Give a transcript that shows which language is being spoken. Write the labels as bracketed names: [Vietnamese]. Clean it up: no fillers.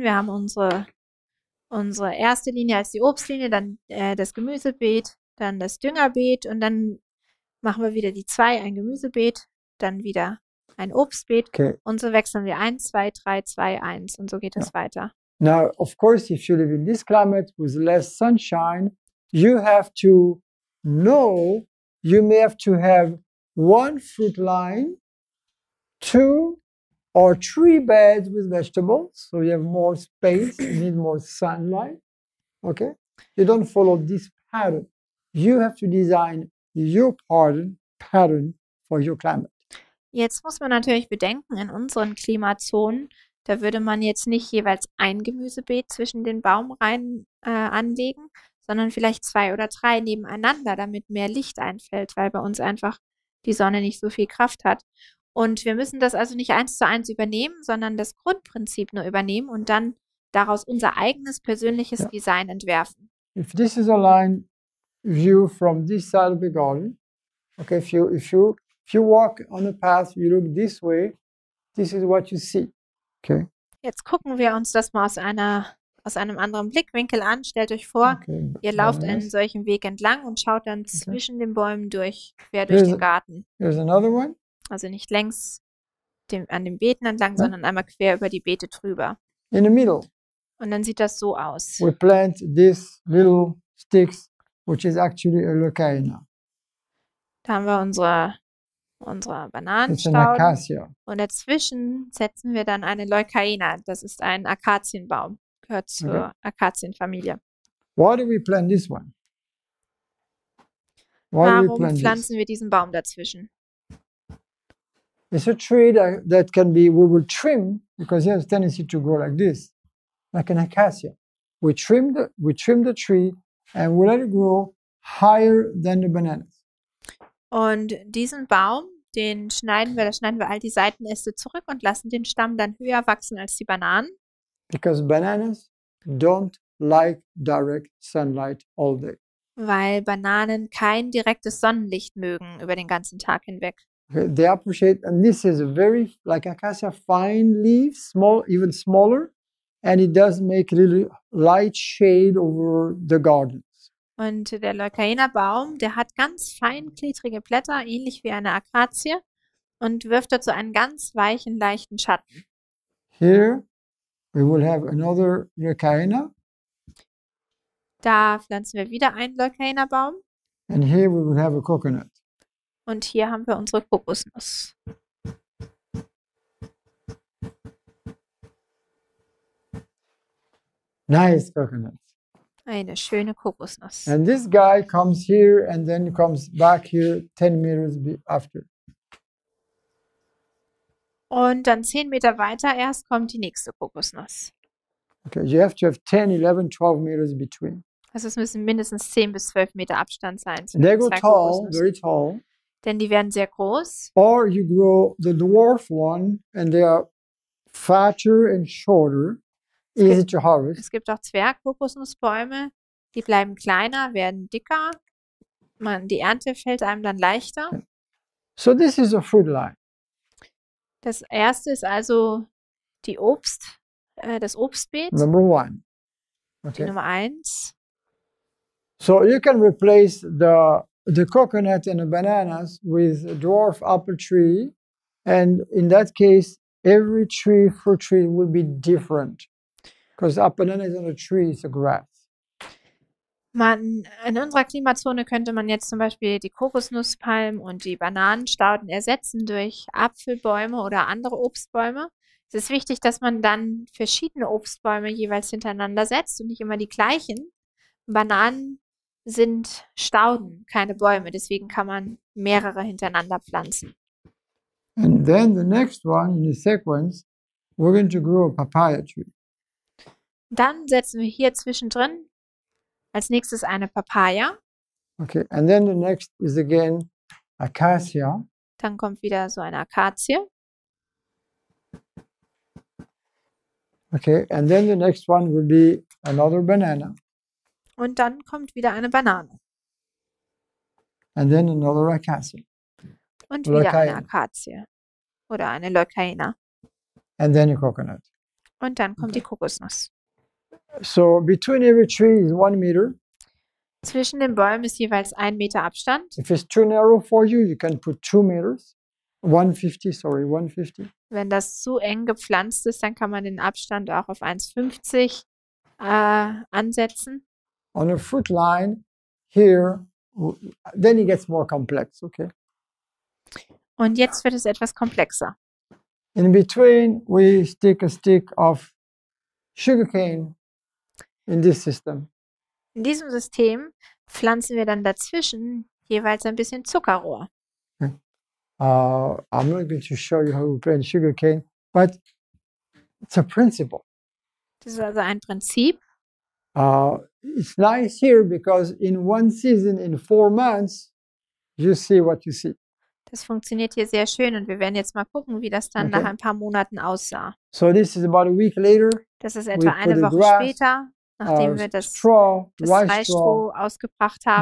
[German] Wir haben unsere erste Linie als die Obstlinie, dann das Gemüsebeet, dann das Düngerbeet und dann machen wir wieder die zwei, ein Gemüsebeet, dann wieder ein Obstbeet. Okay. Und so wechseln wir 1, 2, 3, 2, 1 und so geht es weiter. [English] Now, of course, if you live in this climate with less sunshine, you have to know, you may have to have one fruit line, two or three beds with vegetables, so you have more space, you need more sunlight, okay? You don't follow this pattern. You have to design your pattern for your climate. [German] Jetzt muss man natürlich bedenken, in unseren Klimazonen, da würde man jetzt nicht jeweils ein Gemüsebeet zwischen den Baumreihen anlegen, sondern vielleicht zwei oder drei nebeneinander, damit mehr Licht einfällt, weil bei uns einfach die Sonne nicht so viel Kraft hat. Und wir müssen das also nicht eins zu eins übernehmen, sondern das Grundprinzip nur übernehmen und dann daraus unser eigenes persönliches Design entwerfen. [English] If this is a line view from this side of the garden, okay, if you walk on a path, you look this way, this is what you see. Okay. [German] Jetzt gucken wir uns das mal aus einem anderen Blickwinkel an. Stellt euch vor, okay, ihr lauft einen solchen Weg entlang und schaut dann zwischen den Bäumen durch, quer durch den Garten. [English] Here's another one. [German] Also nicht längs an den Beeten entlang, sondern einmal quer über die Beete drüber. [English] In the middle. [German] Und dann sieht das so aus. [English] We plant these little sticks, which is actually a lucaena. [German] Da haben wir unsere Bananenstauden. Und dazwischen setzen wir dann eine Leucaena. Das ist ein Akazienbaum. Gehört zur Akazienfamilie. [English] Why do we plant this one? [German] Warum pflanzen wir diesen Baum dazwischen? [English] It's a tree that can be, we will trim, because it has a tendency to grow like this, like an acacia. We trim the tree and we let it grow higher than the bananas. [German] Und diesen Baum, da schneiden wir all die Seitenäste zurück und lassen den Stamm dann höher wachsen als die Bananen. [English] Because bananas don't like direct sunlight all day. [German] Weil Bananen kein direktes Sonnenlicht mögen über den ganzen Tag hinweg. [English] Okay, they appreciate, and this is a very, like acacia, fine leaves, small, even smaller, and it does make a little light shade over the gardens. [German] Und der Leucaena-Baum, der hat ganz fein klitrige Blätter, ähnlich wie eine Akazie, und wirft dazu einen ganz weichen, leichten Schatten. [English] Here we will have another Leucaena. [German] Da pflanzen wir wieder einen Leucaena-Baum. [English] And here we will have a coconut. [German] Und hier haben wir unsere Kokosnuss. [English] Nice coconut. [German] Eine schöne Kokosnuss. [English] And this guy comes here and then comes back here 10 meters after. [German] Und dann 10 Meter weiter erst kommt die nächste Kokosnuss. [English] Okay, you have to have 10, 11, 12 meters between. [German] Also es müssen mindestens 10 bis 12 Meter Abstand sein. [English] So they grow tall, very tall. [German] Denn die werden sehr groß. [English] Or you grow the dwarf one and they are fatter and shorter, easy to harvest. [German] Es gibt auch Zwergkokosnussbäume, die bleiben kleiner, werden dicker. Die Ernte fällt einem dann leichter. [English] So this is a food line. [German] Das erste ist also die Obst, das Obstbeet. [English] Number one. [German] Okay. Nummer eins. [English] So you can replace the coconut and the bananas with a dwarf apple tree, and in that case, every tree, fruit tree, will be different, because a banana is not a tree; it's a grass. [German] In unserer Klimazone könnte man jetzt zum Beispiel die Kokosnusspalmen und die Bananenstauden ersetzen durch Apfelbäume oder andere Obstbäume. Es ist wichtig, dass man dann verschiedene Obstbäume jeweils hintereinander setzt und nicht immer die gleichen. Bananen sind Stauden, keine Bäume. Deswegen kann man mehrere hintereinander pflanzen. [English] And then the next one in the sequence, we're going to grow a papaya tree. [German] Dann setzen wir hier zwischendrin als nächstes eine Papaya. [English] Okay, and then the next is again Acacia. [German] Dann kommt wieder so eine Akazie. [English] Okay, and then the next one will be another banana. [German] Und dann kommt wieder eine Banane. [English] And then another Acacia. [German] Und wieder Leucaena. Eine Akazie. Oder eine Leucaena. [English] And then a coconut. [German] Und dann kommt okay. Die Kokosnuss. [English] So between every tree is 1 meter. [German] Zwischen den Bäumen ist jeweils 1 Meter Abstand. [English] If it's too narrow for you, you can put 2 meters. 150. [German] Wenn das zu eng gepflanzt ist, dann kann man den Abstand auch auf 1,50 ansetzen. [English] On a fruit line here, then it gets more complex, okay? [German] Und jetzt wird es etwas komplexer. [English] In between, we stick a stick of sugarcane in this system. [German] In diesem System pflanzen wir dann dazwischen jeweils ein bisschen Zuckerrohr. [English] I'm not going to show you how we plant sugarcane, but it's a principle. [German] Das ist also ein Prinzip. [English] It's nice here because in one season, in 4 months, you see what you see. [German] Das funktioniert hier sehr schön und wir werden jetzt mal gucken, wie das dann okay. Nach ein paar Monaten aussah. [English] So this is about a week later. [German] Das ist etwa eine Woche grass, später, nachdem wir das Reisstroh ausgebracht haben.